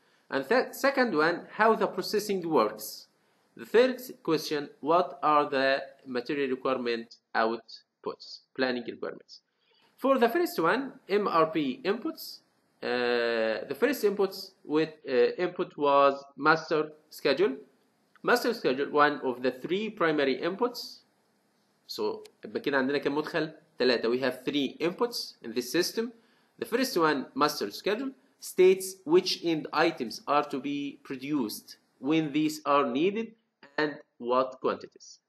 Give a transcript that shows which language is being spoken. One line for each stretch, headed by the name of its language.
English: And second one, how the processing works. The third question, what are the material requirement outputs? Planning requirements. For the first one, MRP inputs, the first inputs with input was master schedule. Master schedule, one of the three primary inputs.
Arabic: So بكنا عندنا كم مدخل؟ ثلاثة.
English: We have three inputs in this system. The first one, master schedule, states which end items are to be produced, when these are needed, and what quantities.